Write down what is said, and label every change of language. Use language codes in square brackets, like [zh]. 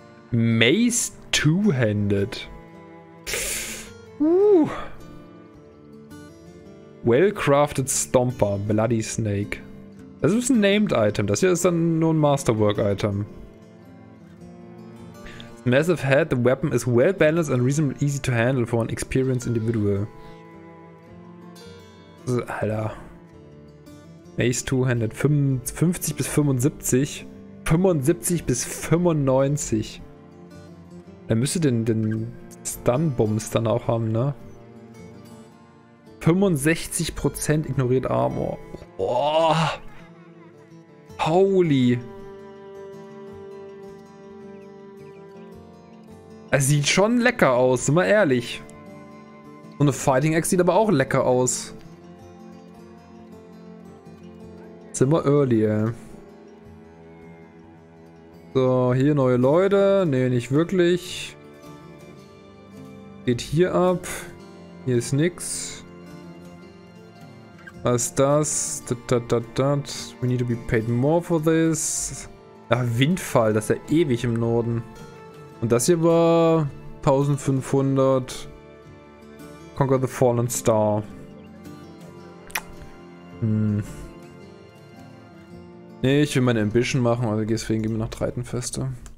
[en] Mace Two-Handed. Well-crafted Stomper, Bloody Snake. [de] Das ist ein Named-Item, das hier ist dann nur ein Masterwork-Item. [en] Massive Head, the weapon is well-balanced and reasonably easy to handle for an experienced individual. [de] Alter. Mace Two-Handed 50 bis 75. 75 bis 95. Er müsste den Stun-Bums dann auch haben, ne? 65% ignoriert Armor. Boah. [en] Holy. [de] Er sieht schon lecker aus, sind wir ehrlich. Und eine Fighting Axe sieht aber auch lecker aus. Sind wir early, ey. So, hier neue Leute. Ne, nicht wirklich. Geht hier ab. Hier ist nix. Was ist das? [en] We need to be paid more for this. [de] Ach, Windfall, das ist ja ewig im Norden. Und das hier war 1500. [en] Conquer the Fallen Star. [de] Nee, ich will meine Ambition machen, also deswegen gehen wir nach Treitenfeste.